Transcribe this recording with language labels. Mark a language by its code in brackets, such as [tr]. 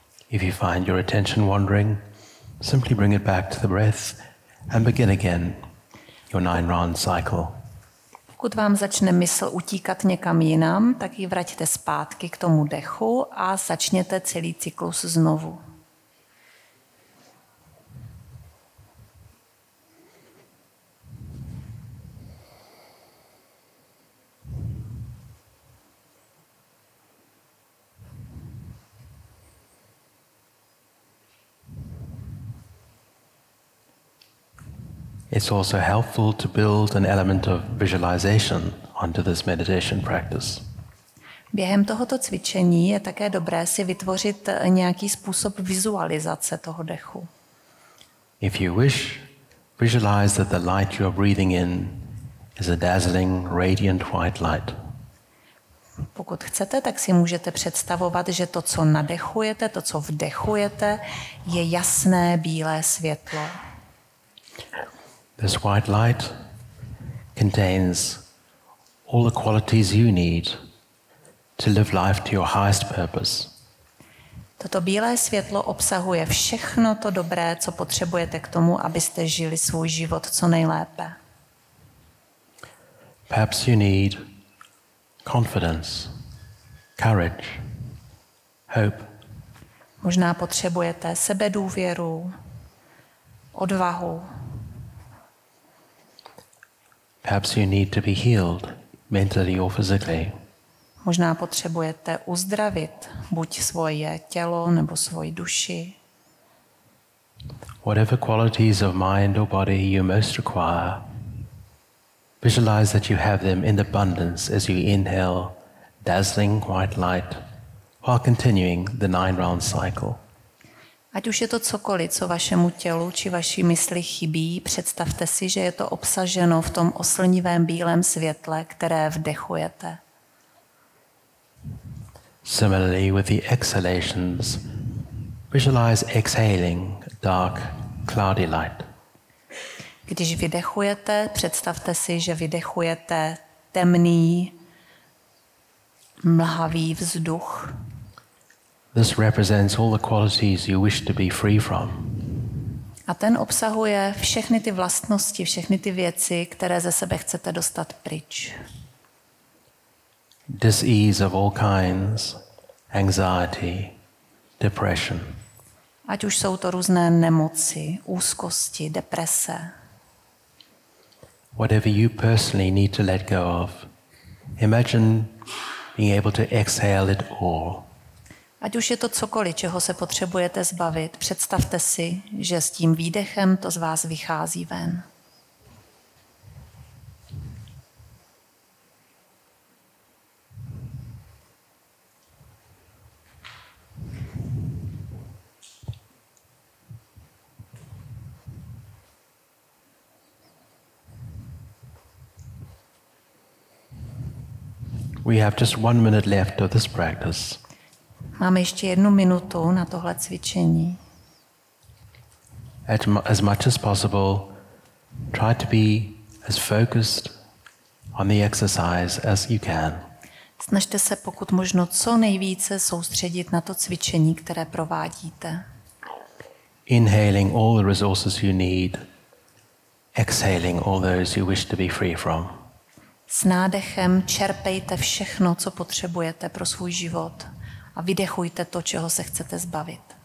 [en] If you find your attention wandering, simply bring it back to the breath and begin again your 9-round cycle. [cs] Pokud vám začne mysl utíkat někam jinam, tak ji vraťte zpátky k tomu dechu a začněte celý cyklus znovu. [en] It's also helpful to build an element of visualization onto this meditation practice. [cs] Během tohoto cvičení je také dobré si vytvořit nějaký způsob vizualizace toho dechu. [en] If you wish, visualize that the light you are breathing in is a dazzling, radiant white light. [cs] Pokud chcete, tak si můžete představovat, že to, co nadechujete, to, co vdechujete, je jasné bílé světlo. [en] This white light contains all the qualities you need to live life to your highest purpose. [cs] Toto bílé světlo obsahuje všechno to dobré, co potřebujete k tomu, abyste žili svůj život co nejlépe. [en] Perhaps you need confidence, courage, hope. [cs] Možná potřebujete sebedůvěru, odvahu. [en] Perhaps you need to be healed mentally or physically. [cs] Možná potřebujete uzdravit buď svoje tělo nebo svoji duši. [en] Whatever qualities of mind or body you most require, visualize that you have them in abundance as you inhale dazzling white light while continuing the 9-round cycle. [cs] Ať už je to cokoliv, co vašemu tělu či vaší mysli chybí, představte si, že je to obsaženo v tom oslnivém bílém světle, které vdechujete. [en] Similarly with the exhalations, visualize exhaling dark, cloudy light. [cs] Když vydechujete, představte si, že vydechujete temný, mlhavý vzduch. [en] This represents all the qualities you wish to be free from. [cs] A ten obsahuje všechny ty vlastnosti, všechny ty věci, které ze sebe chcete dostat pryč. [en] Disease of all kinds, anxiety, depression. [cs] Ať už jsou to různé nemoci, úzkosti, deprese. [en] Whatever you personally need to let go of, imagine being able to exhale it all. [cs] Ať už je to cokoliv, čeho se potřebujete zbavit, představte si, že s tím výdechem to z vás vychází ven. [en] We have just 1 minute left of this practice. [cs] Máme ještě jednu minutu na tohle cvičení. [en] As much as possible, try to be as focused on the exercise as you can. [cs] Snažte se pokud možno co nejvíce soustředit na to cvičení, které provádíte. [en] Inhaling all the resources you need, exhaling all those you wish to be free from. [cs] S nádechem čerpejte všechno, co potřebujete pro svůj život a vydechujte to, čeho se chcete zbavit.